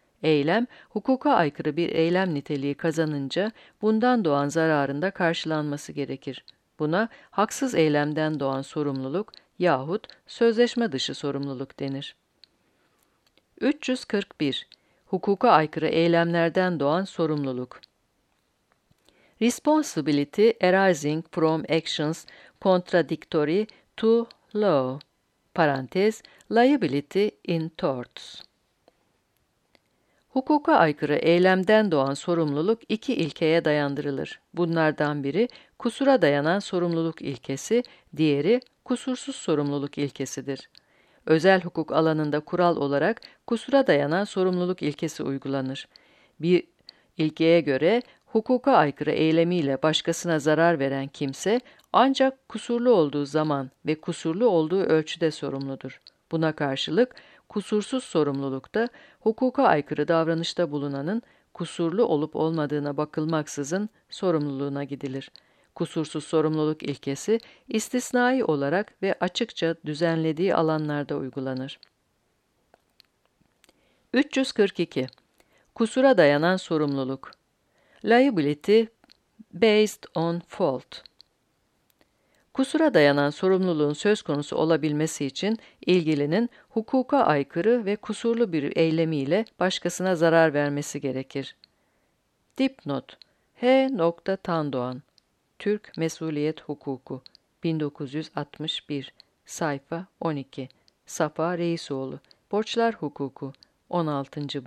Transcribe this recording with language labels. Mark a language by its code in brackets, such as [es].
[tr] Eylem, hukuka aykırı bir eylem niteliği kazanınca bundan doğan zararın da karşılanması gerekir. Buna haksız eylemden doğan sorumluluk yahut sözleşme dışı sorumluluk denir. 341. Hukuka aykırı eylemlerden doğan sorumluluk. [en] Responsibility arising from actions contradictory to law. [tr] Parantez, [en] liability in torts. [tr] Hukuka aykırı eylemden doğan sorumluluk iki ilkeye dayandırılır. Bunlardan biri kusura dayanan sorumluluk ilkesi, diğeri kusursuz sorumluluk ilkesidir. Özel hukuk alanında kural olarak kusura dayanan sorumluluk ilkesi uygulanır. Bir ilkeye göre hukuka aykırı eylemiyle başkasına zarar veren kimse ancak kusurlu olduğu zaman ve kusurlu olduğu ölçüde sorumludur. Buna karşılık kusursuz sorumlulukta hukuka aykırı davranışta bulunanın kusurlu olup olmadığına bakılmaksızın sorumluluğuna gidilir. Kusursuz sorumluluk ilkesi istisnai olarak ve açıkça düzenlediği alanlarda uygulanır. 342. Kusura dayanan sorumluluk. [en] Liability based on fault. [tr] Kusura dayanan sorumluluğun söz konusu olabilmesi için ilgilinin hukuka aykırı ve kusurlu bir eylemiyle başkasına zarar vermesi gerekir. Dipnot H. Tandoğan Türk Mesuliyet Hukuku 1961 Sayfa 12 Safa Reisoğlu Borçlar Hukuku 16.